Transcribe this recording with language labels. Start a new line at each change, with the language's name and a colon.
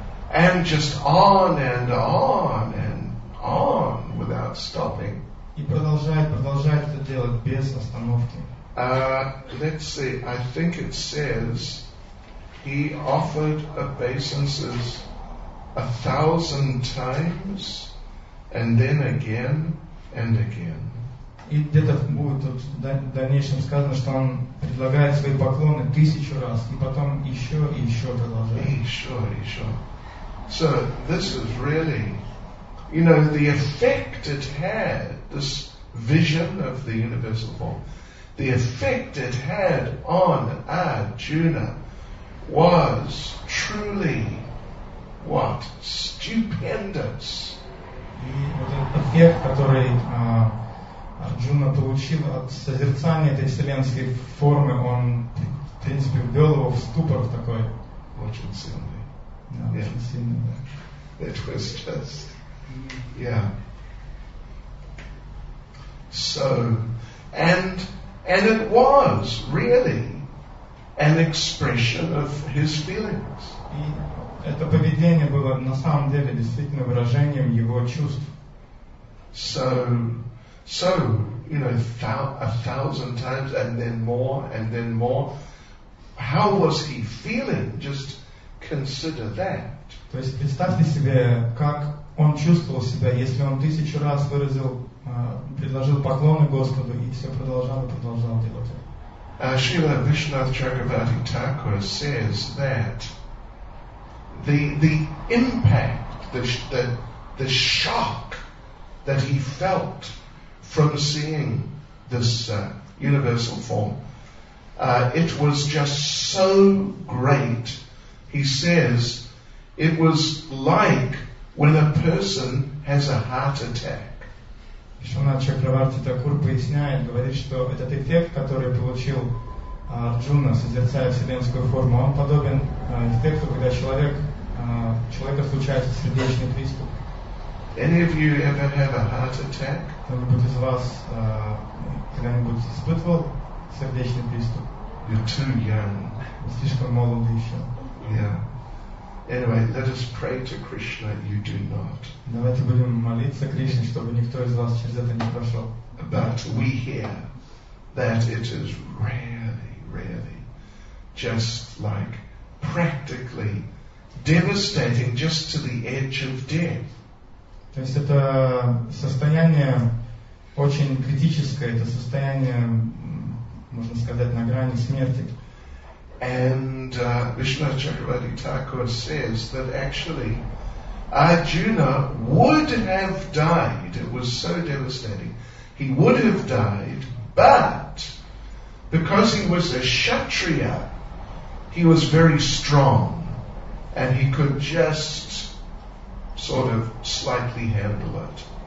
English: And just on and on and on without stopping.
Russian: И продолжает это делать без остановки.
English: Let's see. I think it says he offered obeisances 1,000 times, and then again and again.
Russian: И где-то будет в дальнейшем сказано, что он предлагает свои поклоны 1,000 раз, и потом еще и еще продолжает. Еще.
English: So this is really, you know, the effect it had, this vision of the universal form, the effect it had on Arjuna was truly, what, stupendous.
Russian: И вот этот эффект, который Арджуна получил от созерцания этой вселенской формы, он, в принципе, ввел его в ступор в такой. Очень сильный.
English: Yeah. It was just, yeah. So, and it was really an expression of his feelings.
Russian: И это поведение было на самом деле действительно выражением его чувств.
English: So, you know, 1,000 times and then more and then more. How was he feeling? Just consider that.
Russian: То есть представьте себе, как он чувствовал себя, если он 1,000 раз выразил, предложил поклоны Господу и все продолжал делать это.
English: Шрила Вишнуната Чакрабарти Тхакура says that the impact, the shock that he felt from seeing this universal form, it was just so great. He says it was like when a person has a heart attack.
Russian: Вишванатха Чакраварти Такур поясняет, говорит, что этот эффект, который получил Арджуна, созерцая вселенскую форму, он подобен эффекту, когда человека случается сердечный приступ.
English: Any of you ever have a heart attack?
Russian: Кто-нибудь из вас когда-нибудь испытывал сердечный приступ?
English: You're too young.
Russian: Вы слишком молоды еще.
English: Yeah. Anyway, let us pray to Krishna. You do not.
Russian: Давайте будем молиться Кришне, чтобы никто из вас через это не прошел.
English: But we hear that it is really, really, just like practically devastating, just to the edge of death.
Russian: То есть это состояние очень критическое. Это состояние, можно сказать, на грани смерти.
English: And Vishnu Chakravarti Thakur says that actually Arjuna would have died. It was so devastating. He would have died, but because he was a Kshatriya, he was very strong and he could just sort of slightly handle it.